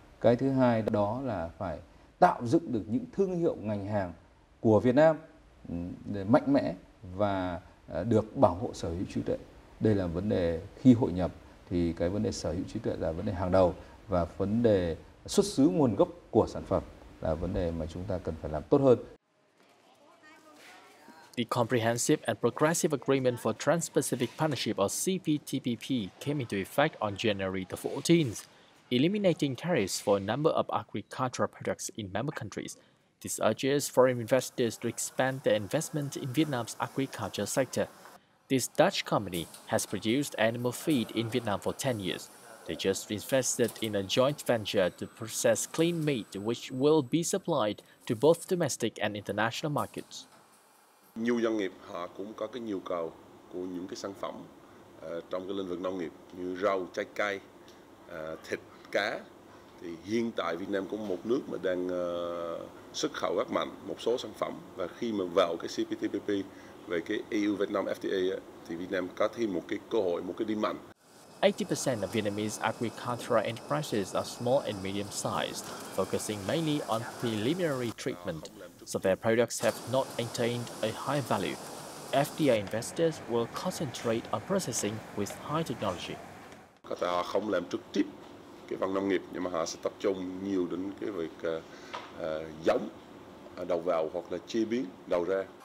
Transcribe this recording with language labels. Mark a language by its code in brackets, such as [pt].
[vi] Cái thứ hai đó là phải tạo dựng được những thương hiệu ngành hàng của Việt Nam để mạnh mẽ và được bảo hộ sở hữu trí tuệ. Đây là vấn đề khi hội nhập thì cái vấn đề sở hữu trí tuệ là vấn đề hàng đầu, và vấn đề xuất xứ nguồn gốc của sản phẩm là vấn đề mà chúng ta cần phải làm tốt hơn. [en] The Comprehensive and Progressive Agreement for Trans-Pacific Partnership, or CPTPP, came into effect on January the 14th, eliminating tariffs for a number of agricultural products in member countries. This urges foreign investors to expand their investment in Vietnam's agriculture sector. This Dutch company has produced animal feed in Vietnam for 10 years. They just invested in a joint venture to process clean meat, which will be supplied to both domestic and international markets. [vi] Nhiều doanh nghiệp họ cũng có cái nhu cầu của những cái sản phẩm trong cái lĩnh vực nông nghiệp như rau, trái cây, thịt, cá. Thì hiện tại Việt Nam cũng một nước mà đang xuất khẩu rất mạnh một số sản phẩm, và khi mà vào cái CPTPP về cái EU Vietnam FTA thì Việt Nam có thêm một cái cơ hội, một cái điểm mạnh. [en] 80% of Vietnamese agricultural enterprises are small and medium sized, focusing mainly on preliminary treatment, so their products have not attained a high value. FDA investors will concentrate on processing with high technology. [vi] Có thể họ không làm trực tiếp cái phần nông nghiệp, nhưng mà họ sẽ tập trung nhiều đến cái việc giống, đầu vào hoặc là chế biến đầu ra.